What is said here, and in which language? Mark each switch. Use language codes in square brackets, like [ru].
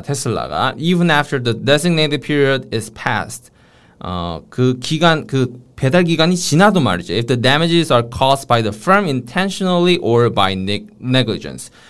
[en] 테슬라가 even after the designated period is passed. [ko] 그 배달 기간이 지나도 말이죠. [en] If the damages are caused by the firm intentionally or by negligence.